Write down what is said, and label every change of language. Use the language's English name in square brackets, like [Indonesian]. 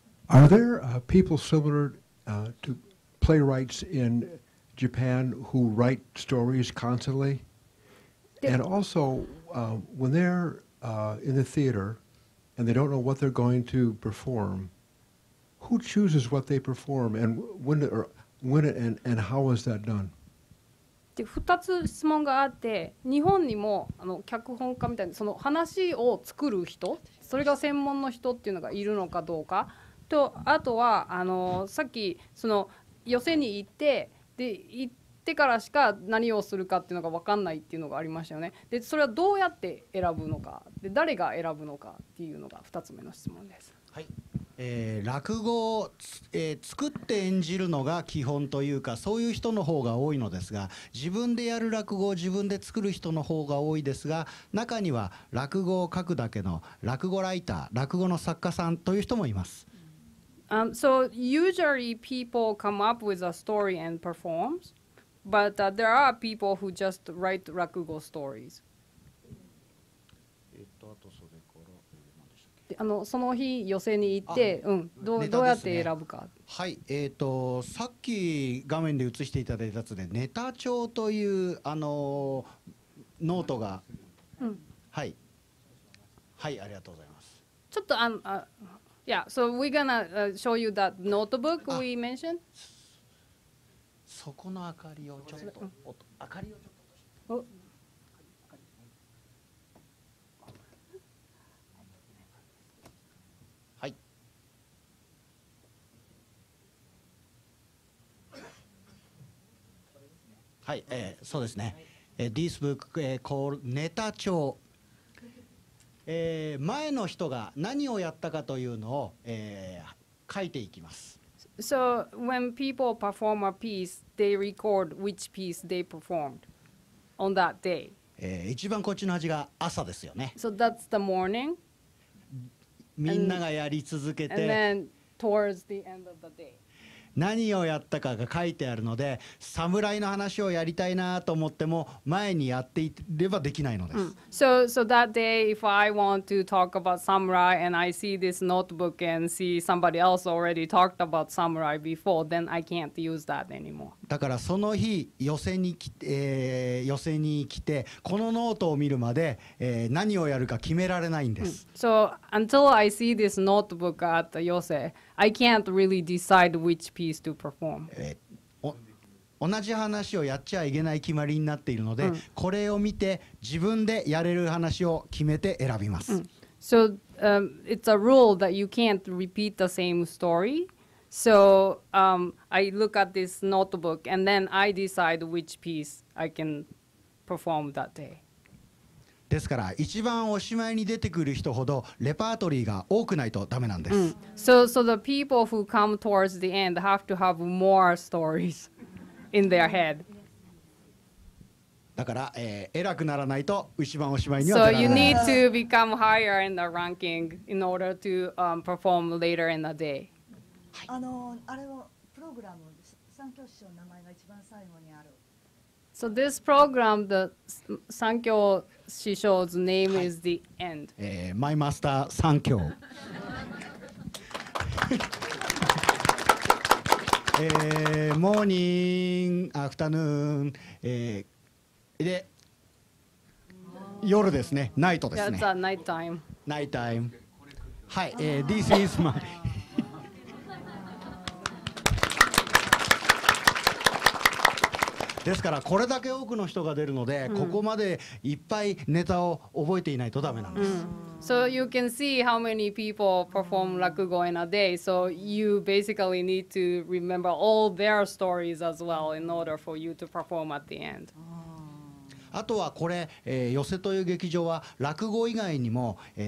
[English] Are there people similar to playwrights in Japan who write stories constantly? And also, when they're in the theater and they don't know what they're going to perform,Who chooses what they perform and when, or when it, and how is that done? [Japanese] で、2つ質問があって、日本にもあの脚本家みたいな、その話を作る人、それが専門の人っていうのがいるのかどうかと、あとはあのさっきその寄席に行って、で行ってからしか何をするかっていうのが分かんないっていうのがありましたよね。で、それはどうやって選ぶのか、で誰が選ぶのかっていうのが2つ目の質問です。はい。落語を、作って演じるのが基本というか、そういう人の方が多いのですが、自分でやる落語を自分で作る人の方が多いですが、中には落語を書くだけの落語ライター、落語の作家さんという人もいます。 [English] So usually people come up with a story and performs, but there are people who just write 落語 stories. [Japanese] あのその日寄席に行って、うん、どうやって選ぶか。はい、さっき画面で映していただいたやつで、ネタ帳というノートが、うん、はい、はい、ありがとうございます。ちょっとあの、 [English] yeah, so we're gonna show you that notebook we mentioned. [Japanese] そこの明かりをちょっと、うん、音、明かりをちょっと。お。はい、そうですね、 [English] This book called [Japanese] ネタ帳、前の人が何をやったかというのを、書いていきます。 [English] So when people perform a piece, they record which piece they performed on that day、 [Japanese] 一番こっちの味が朝ですよね。 [English] So that's the morning. [Japanese] みんながやり続けて、 [English] and then towards the end of the day. [Japanese] 何をやったかが書いてあるので、侍の話をやりたいなと思っても前にやっていればできないのです。 Mm. [English] So that day, if I want to talk about samurai and I see this notebook and see somebody else already talked about samurai before, then I can't use that anymore. [Japanese] だからその日寄せに来てこのノートを見るまで、何をやるか決められないんです。 [English] Mm. So until I see this notebook at the 寄せ。 I can't really decide which piece to perform. [Japanese] 同じ話をやっちゃいけない決まりになっているので、うん、これを見て自分でやれる話を決めて選びます。 [English] うん、so, it's a rule that you can't repeat the same story. So, I look at this notebook and then I decide which piece I can perform that day. [Japanese] ですから一番おしまいに出てくる人ほどレパートリーが多くないとダメなんです。 Mm. [English] So the people who come towards the end have to have more stories in their head. [Japanese] だから、偉くならないと一番おしまいには出られない。 [English] So you need to become higher in the ranking in order to、perform later in the day. [Japanese] あのあれをプログラム三教師の名前が一番最後にある。 [English] So this program, the Sankyo Shisho's name is the end. My master, Sankyo. morning, afternoon, [Japanese] で夜ですね、ナイトですね。 [English] That's a night time. Night time. はい、this is my... [Japanese] ですからこれだけ多くの人が出るので、うん、ここまでいっぱいネタを覚えていないとダメなんです。うん、 [English] so you can see how many people perform 落語 in a day. So you basically need to remember all their stories as well in order for you to perform at the end. [Japanese] あとはこれ、寄席という劇場は落語以外にも、